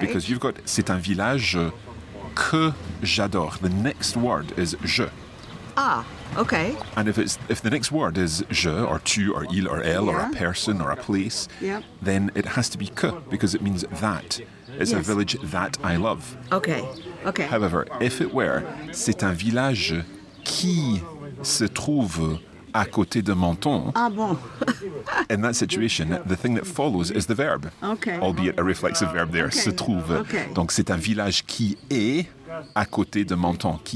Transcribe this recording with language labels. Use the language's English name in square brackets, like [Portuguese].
[English] Because you've got, [French] c'est un village que j'adore. [English] The next word is je. Ah, okay. And if the next word is je, or tu, or il, or elle, yeah. Or a person, or a place, yep. Then it has to be que, because it means that. It's yes. A village that I love. Okay. However, if it were, [French] c'est un village qui se trouve à côté de Menton. Ah bon. [English] In that situation, the thing that follows is the verb. Okay. Albeit a reflexive verb there, okay. [French] Se trouve. [English] Okay. [French] Donc c'est un village qui est à côté de Menton, qui